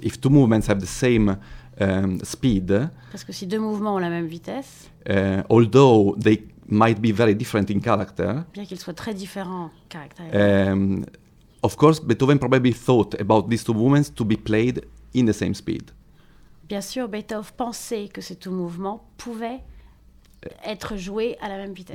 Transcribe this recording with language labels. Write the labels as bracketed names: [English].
[English] if two movements have the same speed, [French] parce que si deux mouvements ont la même vitesse, [English] although they might be very different in character, [French] bien qu'ils soient très différents en caractère. [English] Of course, Beethoven probably thought about these two movements to be played in the same speed. [French] Bien sûr, Beethoven pensait que ces deux mouvements pouvaient être joués à la même vitesse.